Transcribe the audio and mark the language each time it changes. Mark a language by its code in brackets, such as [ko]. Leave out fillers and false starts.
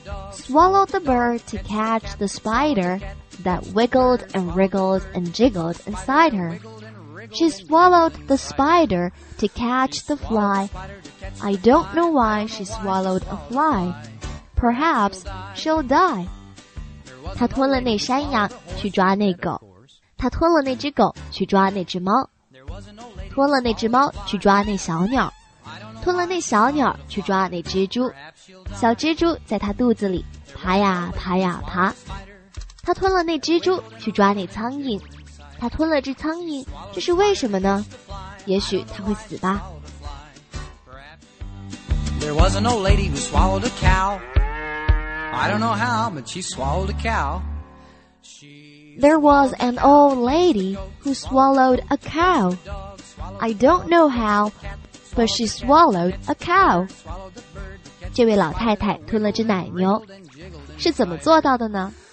[en] Swallowed the bird to catch the spider that wiggled and wriggled and jiggled inside her. She swallowed the spider to catch the fly. I don't know why she swallowed a fly. Perhaps she'll die. [zh] 他吞了那山羊去抓那狗，他吞了那只狗去抓那只猫，吞了那只猫去抓那小鸟，吞了那小鸟去抓那蜘蛛，小蜘蛛在他肚子里爬呀爬呀爬，他吞了那蜘蛛去抓那苍蝇，他吞了只苍蝇，这是为什么呢？也许他会死吧。 [en] There was an old lady who swallowed a cow. I don't know how, but she swallowed a cow. There was an old lady who swallowed a cow. I don't know how, but she swallowed a cow. [zh] 这位老太太吞了只奶牛，是怎么做到的呢？